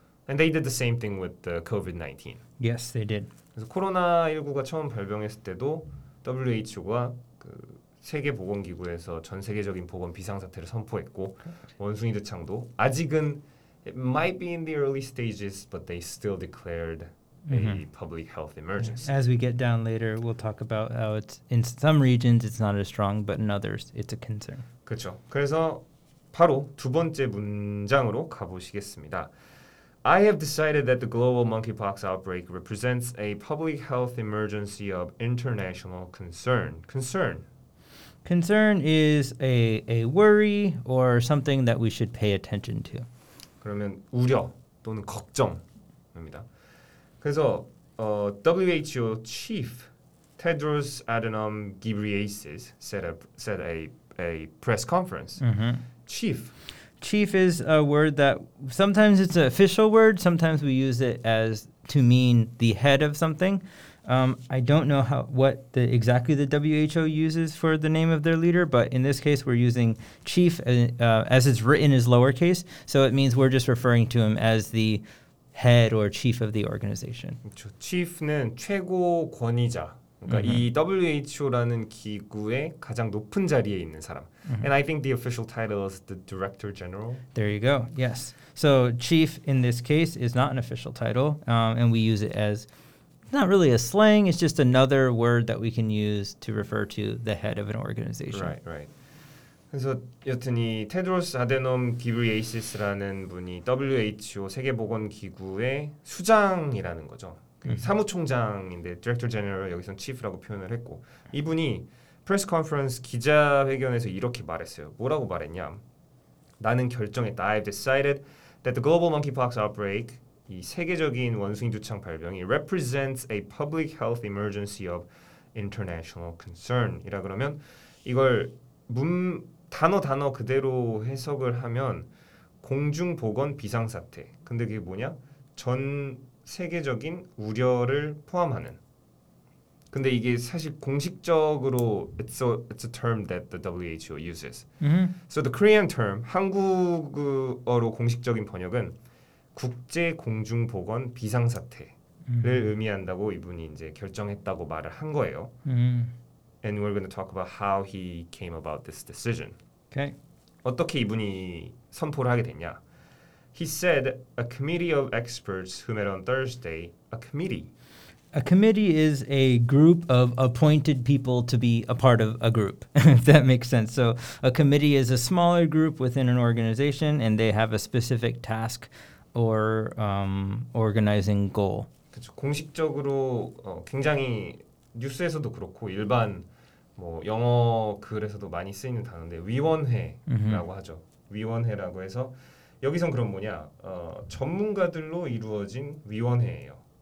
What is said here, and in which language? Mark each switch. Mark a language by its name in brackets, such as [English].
[English] And they did the same thing with the COVID-19. Yes, they did. [Korean] 그래서 코로나19가 처음 발병했을 때도 WHO가 그 세계 보건기구에서 전 세계적인 보건 비상사태를 선포했고 원숭이두창도 아직은 [English] It might be in the early stages, but they still declared mm-hmm. a public health emergency. As we get down later, we'll talk about how it's in some regions it's not as strong, but in others it's a concern. [Korean] 그렇죠. 그래서 바로 두 번째 문장으로 가보시겠습니다. [English] I have decided that the global monkeypox outbreak represents a public health emergency of international concern. Concern is a worry or something that we should pay attention to. 그러면 우려 또는 걱정입니다. 그래서 WHO chief Tedros Adhanom Ghebreyesus said at a press conference. Mm-hmm. Chief. Chief is a word that sometimes it's an official word. Sometimes we use it as to mean the head of something. I don't know what exactly the WHO uses for the name of their leader, but in this case, we're using chief as it's written as lowercase. So it means we're just referring to him as the head or chief of the organization. [Korean] Chief는 최고 권위자. 그러니까 mm-hmm. 이 WHO라는 기구의 가장 높은 자리에 있는 사람. Mm-hmm. [English] And I think the official title is the Director General. There you go. Yes. So chief in this case is not an official title, and we use it as not really a slang. It's just another word that we can use to refer to the head of an organization. Right, right. [Korean] 그래서 여튼 이 테드로스 아데놈 기브리에이시스라는 분이 WHO 세계보건기구의 수장이라는 거죠. 사무총장인데 디렉터 제너럴 여기선 치프라고 표현을 했고 이분이 프레스 컨퍼런스 기자회견에서 이렇게 말했어요. 뭐라고 말했냐? 나는 결정했다. [English] I've decided that the global monkeypox outbreak, [Korean] 이 세계적인 원숭이두창 발병이 [English] represents a public health emergency of international concern [Korean] 이라 그러면 이걸 단어 그대로 해석을 하면 공중 보건 비상사태. 근데 그게 뭐냐? 전 세계적인 우려를 포함하는. 근데 이게 사실 공식적으로 [English] it's a term that the WHO uses. Mm-hmm. So the Korean term, [Korean] 한국어로 공식적인 번역은 국제 공중 보건 비상사태를 mm-hmm. 의미한다고 이분이 이제 결정했다고 말을 한 거예요. Mm-hmm. [English] And we're going to talk about how he came about this decision. Okay. [Korean] 어떻게 이분이 선포를 하게 됐냐? [English] He said a committee of experts who met on Thursday, a committee. A committee is a group of appointed people to be a part of a group, if that makes sense. So a committee is a smaller group within an organization, and they have a specific task or organizing goal. [Korean] 그쵸. 공식적으로 굉장히 뉴스에서도 그렇고 일반 뭐 영어 글에서도 많이 쓰이는 단어인데 위원회라고 mm-hmm. 하죠. 위원회라고 해서 여기선 그럼 뭐냐? 전문가들로 이루어진 위원회예요.